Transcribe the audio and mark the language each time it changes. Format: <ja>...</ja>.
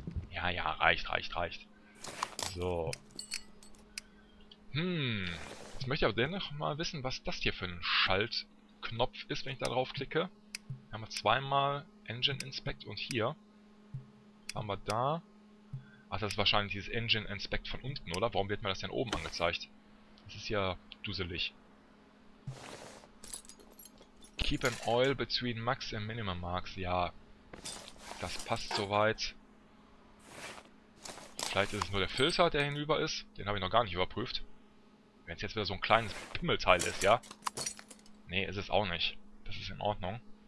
<de>Ja, ja, reicht, reicht, reicht. So. Jetzt möchte ich aber dennoch mal wissen, was das hier für ein Schaltknopf ist, wenn ich da drauf klicke. Wir haben zweimal Engine Inspect und hier. Was haben wir da? Ach, das ist wahrscheinlich dieses Engine Inspect von unten, oder? Warum wird mir das denn oben angezeigt? Das ist ja duselig.</de> <en>Keep an oil between max and minimum marks.</en> <de>Ja, das passt soweit. Vielleicht ist es nur der Filter, der hinüber ist. Den habe ich noch gar nicht überprüft. Wenn es jetzt wieder so ein kleines Pimmelteil ist, ja? Nee, ist es auch nicht. Das ist in Ordnung.</de>